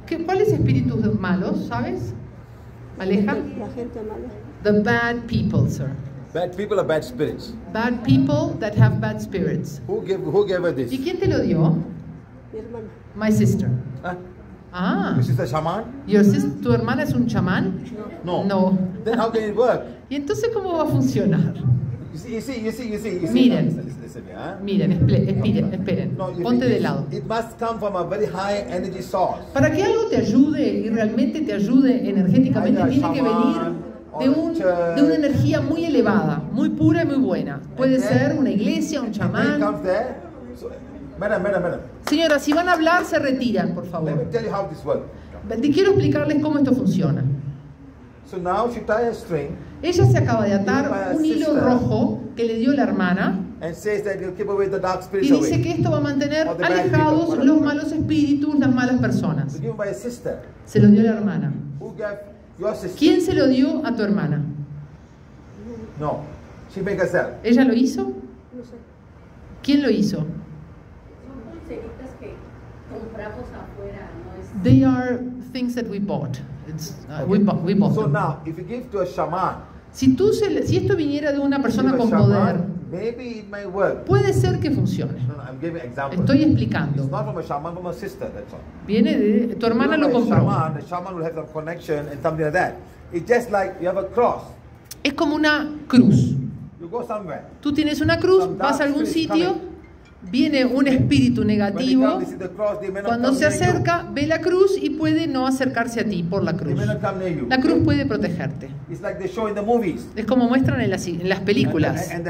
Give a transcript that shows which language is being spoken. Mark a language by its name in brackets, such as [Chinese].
[Spanish] ¿Cuáles espíritus malos, sabes? Aleja. La gente mala. [English] The bad people, sir. Bad people are bad spirits. Bad people that have bad spirits. Who gave her this? [Spanish] ¿Y quién te lo dio? Mi hermana. [English] My sister. Ah. Ah. Is this a shaman? Your sister, [Spanish] tu hermana es un chamán? No. [English] No. Then how can it work? [Spanish] ¿Y entonces cómo va a funcionar? [English] You see. [Spanish] Miren. Miren, esperen. Ponte de lado. [English] It must come from a very high energy source. [Spanish] Para que algo te ayude y realmente te ayude energéticamente, tiene [English] shaman, [Spanish] que venir de una energía muy elevada, muy pura y muy buena. Puede [English] then, [Spanish] ser una iglesia, un chamán. [English] There, madam. [Spanish] Señora, si van a hablar, se retiran, por favor. [English] Let me tell you how this works. [Spanish] Te quiero explicarles cómo esto funciona. [English] So now she tied a string. [Spanish] Ella se acaba de atar un hilo rojo que le dio la hermana. [English] And says that it'll keep away the dark spirits. [Spanish] Y dice que esto va a mantener alejados los malos espíritus, las malas personas. [English] So given by a sister. [Spanish] Se lo dio la hermana. [English] Who gave your sister? [Spanish] ¿Quién se lo dio a tu hermana? [English] No. She made herself. [Spanish] ¿Ella lo hizo? No sé. ¿Quién lo hizo? Son pulseritas que compramos afuera, no es. [English] They are things that we bought. We bought. So now, if you give to a shaman, [Spanish] si esto viniera de una persona con poder, [English] maybe it might work. [Spanish] Puede ser que funcione. [English] No, I'm giving example. [Spanish] Estoy explicando. [English] It's not from a shaman, from a sister, that's all. [Spanish] Viene de tu hermana lo compró. [English] Shaman, the shaman will have some connection and something like that. It's just like you have a cross. [Spanish] Es como una cruz. [English] You go somewhere. [Spanish] Tú tienes una cruz, vas a algún sitio. Viene un espíritu negativo. Cuando se acerca, ve la cruz y puede no acercarse a ti por la cruz. La cruz puede protegerte. Es como muestran en las películas.